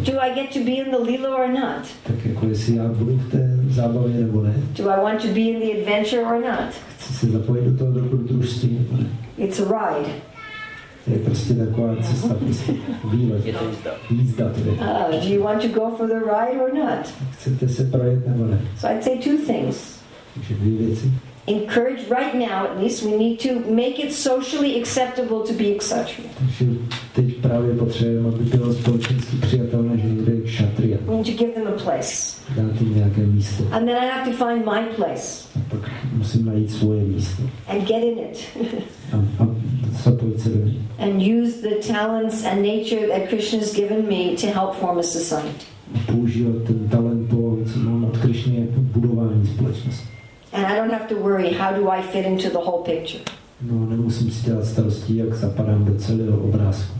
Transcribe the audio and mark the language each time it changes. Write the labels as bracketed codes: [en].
[en] Do I get to be in the lila or not? [cs] Tak jako jestli já budu v té zábavě nebo ne? [en] Do I want to be in the adventure or not? [cs] Chci se zapojit do toho dobrodružství nebo ne? [en] It's a ride. [cs] To je prostě taková cesta, prostě výlet. Je to jízda. [en] Do you want to go for the ride or not? [cs] Chcete se projet nebo ne? [en] So I'd say two things. [cs] Takže dvě věci. [en] Encourage right now, at least, we need to make it socially acceptable to be a kshatriya. [cs] Takže teď právě potřebujeme, aby bylo společensky přijatelné, že někde je kshatriya. [en] We need to give them a place. [cs] Dát jim nějaké místo. [en] And then I have to find my place. [cs] A pak musím najít svoje místo. [en] And get in it. [cs] A zapojit se do ní. [en] And use the talents and nature that Krishna's given me to help form a society. [cs] Používat ten talent, to, co mám od Krishny, je budování společnosti. [en] And I don't have to worry, how do I fit into the whole picture? [cs] No, nemusím si dělat starosti, jak zapadám do celého obrázku.